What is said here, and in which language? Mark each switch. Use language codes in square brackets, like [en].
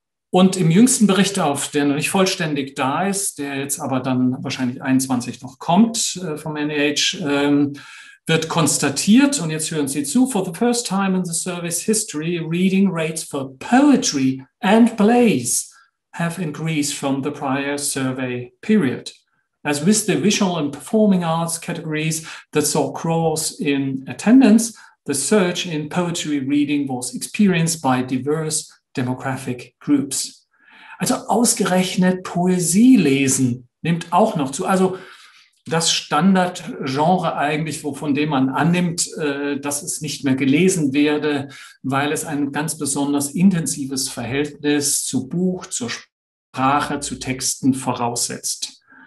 [de] Und im jüngsten Bericht, auf der noch nicht vollständig da ist, der jetzt aber dann wahrscheinlich 21 noch kommt vom NIH, wird konstatiert, und jetzt hören Sie zu, [en] for the first time in the service history, reading rates for poetry and plays have increased from the prior survey period. As with the visual and performing arts categories that saw growth in attendance, the surge in poetry reading was experienced by diverse demographic groups. [de] Also ausgerechnet Poesie lesen nimmt auch noch zu. Also das Standardgenre eigentlich, wovon dem man annimmt, dass es nicht mehr gelesen werde, weil es ein ganz besonders intensives Verhältnis zu Buch, zur Sprache, zu Texten voraussetzt.